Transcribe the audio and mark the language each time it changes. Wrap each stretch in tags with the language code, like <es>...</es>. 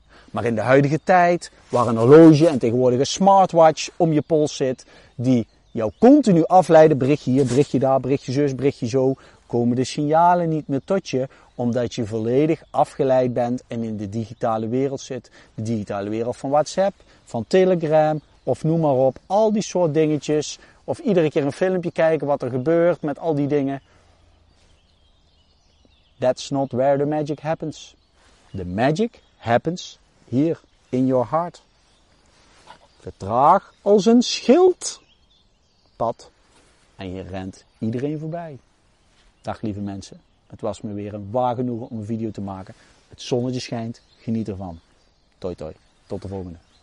<nl>Maar in de huidige tijd, waar een horloge en tegenwoordig een smartwatch om je pols zit, die jou continu afleiden, berichtje hier, berichtje daar, berichtje zus, berichtje zo, komen de signalen niet meer tot je, omdat je volledig afgeleid bent en in de digitale wereld zit. De digitale wereld van WhatsApp, van Telegram, of noem maar op, al die soort dingetjes. Of iedere keer een filmpje kijken wat er gebeurt met al die dingen.</nl> <en>That's not where the magic happens. The magic happens here in your heart.</en> <nl>Vertraag als een schild. Pad. En je rent iedereen voorbij. Dag lieve mensen. Het was me weer een waar genoegen om een video te maken. Het zonnetje schijnt. Geniet ervan. Toi toi. Tot de volgende.</nl>